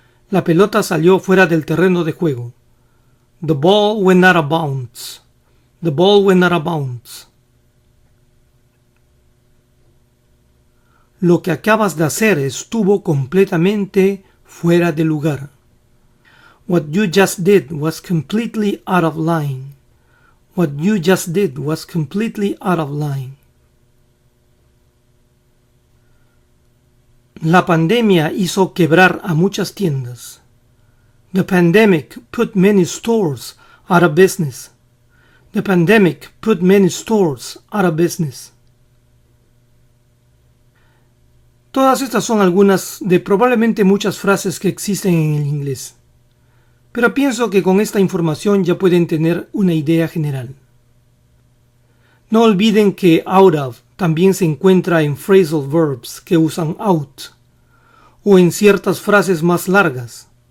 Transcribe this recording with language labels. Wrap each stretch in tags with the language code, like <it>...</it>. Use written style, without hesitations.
<es>La pelota salió fuera del terreno de juego.</es> <en>The ball went out of bounds. The ball went out of bounds.</en> <es>Lo que acabas de hacer estuvo completamente fuera de lugar.</es> <en>What you just did was completely out of line. What you just did was completely out of line.</en> <es>La pandemia hizo quebrar a muchas tiendas.</es> <en>The pandemic put many stores out of business. The pandemic put many stores out of business.</en> <es>Todas estas son algunas de probablemente muchas frases que existen en el inglés. Pero pienso que con esta información ya pueden tener una idea general. No olviden que out of también se encuentra en phrasal verbs que usan out, o en ciertas frases más largas.</es>